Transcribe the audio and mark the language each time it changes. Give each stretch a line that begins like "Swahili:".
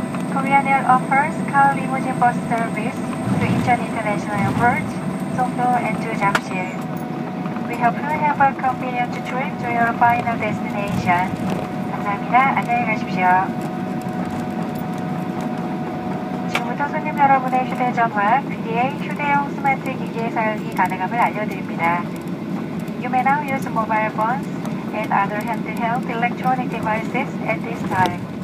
English: Korean Air offers car limousine bus service to Incheon International Airport, Songdo, and to Jamsil. We hope you have a convenient trip to your final destination.
Korean: 감사합니다. 안녕히 가십시오. 지금부터 손님 여러분의 휴대전화, PDA 휴대용 스마트 기기의 사용이 가능함을 알려드립니다.
English: You may now use mobile phones and other handheld electronic devices at this time.